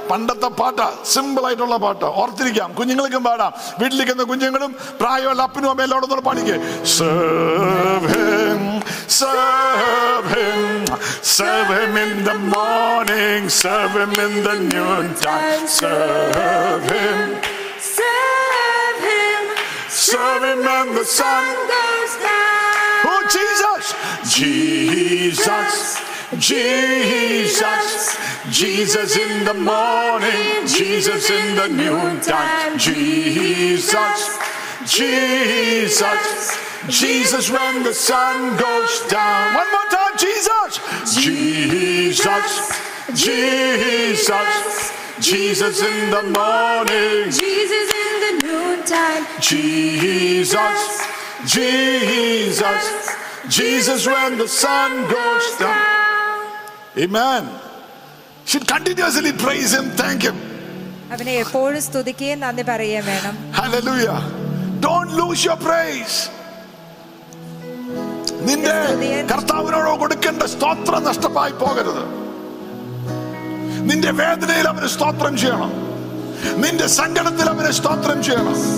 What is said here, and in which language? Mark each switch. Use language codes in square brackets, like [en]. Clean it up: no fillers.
[ml] പണ്ടത്തെ പാട്ട, സിമ്പിൾ ആയിട്ടുള്ള പാട്ട്, ഓർത്തിരിക്കാം. കുഞ്ഞുങ്ങൾക്കും പാടാം, വീട്ടിലിരിക്കുന്ന കുഞ്ഞുങ്ങളും പ്രായമുള്ള അപ്പനും അമ്മയും എല്ലാവരും കൂടെ പാടിക്കേ. [en] Serve Him, serve Him, serve Him in the morning, serve Him in the noontime. Serve Him. Serve Him when the sun goes down. Oh, Jesus, Jesus, Jesus, Jesus in the morning, Jesus in the noontime. Jesus, Jesus, Jesus when the sun goes down. One more time, Jesus. Jesus, Jesus, Jesus in the morning, Jesus in the noontime. Jesus, Jesus, Jesus when the sun goes down. Amen. Should continuously praise him, thank him. [ml] അവനെ എപ്പോഴും സ്തുതിക്കുകയും നന്ദി പറയുകയും വേണം. [en] Hallelujah. Don't lose your praise. [ml] നിന്റെ കർത്താവിനോട് കൊടുക്കേണ്ട സ്തോത്രം നഷ്ടമായി പോകരുത്. നിന്റെ വേദനയിൽ അവന് സ്തോത്രം ചെയ്യണം. നിന്റെ സങ്കടത്തിൽ അവന് സ്തോത്രം ചെയ്യണം.